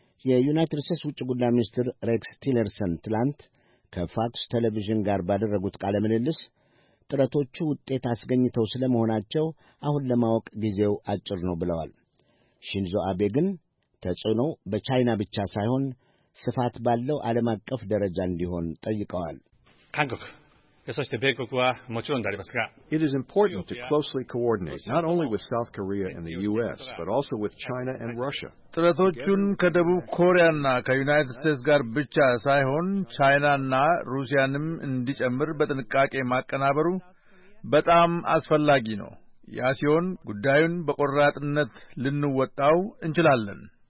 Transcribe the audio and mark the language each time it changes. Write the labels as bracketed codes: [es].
[am] የዩናይትድ ስቴትስ ውጭ ጉዳይ ሚኒስትር ሬክስ ቲለርሰን ትላንት ከፋክስ ቴሌቪዥን ጋር ባደረጉት ቃለ ምልልስ ጥረቶቹ ውጤት አስገኝተው ስለመሆናቸው አሁን ለማወቅ ጊዜው አጭር ነው ብለዋል። ሺንዞ አቤ ግን ተጽዕኖው በቻይና ብቻ ሳይሆን ስፋት ባለው ዓለም አቀፍ ደረጃ እንዲሆን ጠይቀዋል። [en] It is important to closely coordinate not only with South Korea and the US but also with China and Russia. [am] ጥረቶቹን ከደቡብ ኮሪያና ከዩናይትድ ስቴትስ ጋር ብቻ ሳይሆን ቻይናና ሩሲያንም እንዲጨምር በጥንቃቄ ማቀናበሩ በጣም አስፈላጊ ነው። ያ ሲሆን ጉዳዩን በቆራጥነት ልንወጣው እንችላለን።